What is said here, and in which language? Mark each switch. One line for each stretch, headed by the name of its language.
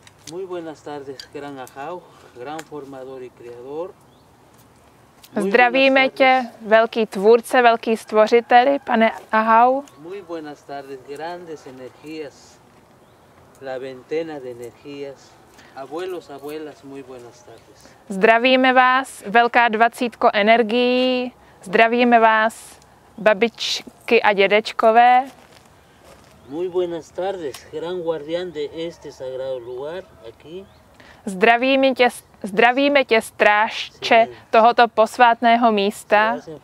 Spanish: Muy buenas tardes, gran ajau, gran formador y creador.
Czech: Zdravíme tě, velký tvůrce, velký stvořiteli, pane Ahau.
Spanish: Muy buenas tardes, grandes energías, la ventena de energías. Abuelos, abuelas, muy buenas tardes.
Czech: Zdravíme vás, velká dvacítko energií, zdravíme vás, babičky a dědečkové.
Spanish: Muy buenas tardes, gran guardián de este sagrado lugar, aquí.
Czech: Zdravíme tě, strážče tohoto posvátného místa.